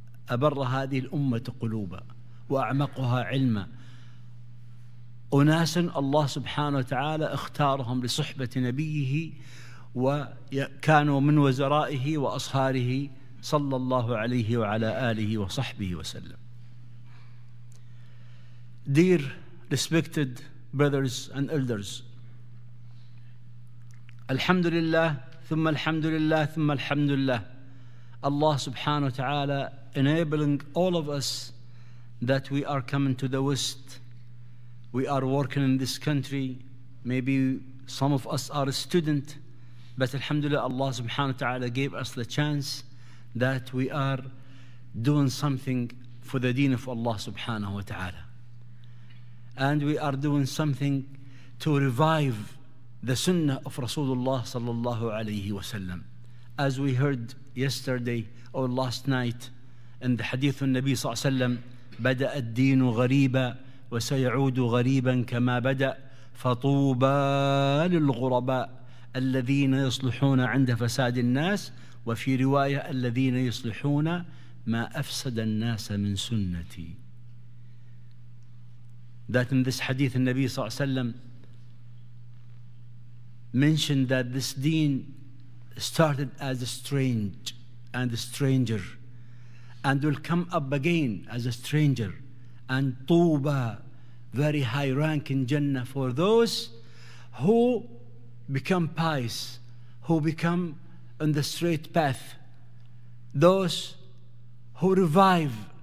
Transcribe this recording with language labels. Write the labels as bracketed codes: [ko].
[ar] أبر هذه الأمة قلوبا وأعمقها علما، أناس الله سبحانه وتعالى اختارهم لصحبة نبيه، وكانوا من وزرائه وأصهاره صلى الله عليه وعلى آله وصحبه وسلم. [en] Dear respected brothers and elders, [ar] الحمد لله ثم الحمد لله ثم الحمد لله. [en] Allah subhanahu wa ta'ala enabling all of us that we are coming to the West, we are working in this country, maybe some of us are a student, but alhamdulillah Allah subhanahu wa ta'ala gave us the chance that we are doing something for the deen of Allah subhanahu wa ta'ala. And we are doing something to revive the sunnah of Rasulullah sallallahu alayhi wa sallam. As we heard yesterday or last night in the hadith of Nabi sallallahu alayhi wa sallam, [ar] بدأ الدين غريبا وسيعود غريبا كما بدأ فطوبى للغرباء الذين يصلحون عند فساد الناس، وفي رواية الذين يصلحون ما أفسد الناس من سنتي. [en] That in this hadith Nabi sallallahu alayhi wa sallam mentioned that this deen started as a strange and a stranger and will come up again as a stranger, and tuba, very high rank in Jannah for those who become pious, who become on the straight path, those who revive.